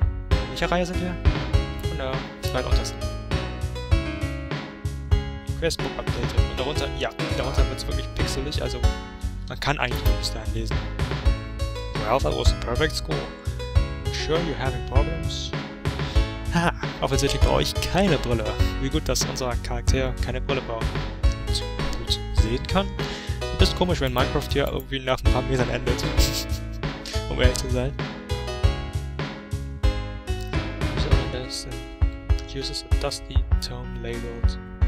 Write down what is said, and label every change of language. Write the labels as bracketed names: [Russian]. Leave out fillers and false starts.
[German] In welcher Reihe sind wir? Und da zweit untersten. [English] Questbook updated. [German] Und darunter, ja, darunter wird es wirklich pixelig, also man kann eigentlich nur bis dahin lesen. [English] Well, that was a perfect score. I'm sure you're having problems. [German] Ha, offensichtlich brauche ich keine Brille. Wie gut, dass unser Charakter keine Brille braucht und gut sehen kann. Ein bisschen komisch, wenn Minecraft hier irgendwie nach ein paar Metern endet. Um ehrlich zu sein. [English] So, this uses a dusty tome labeled.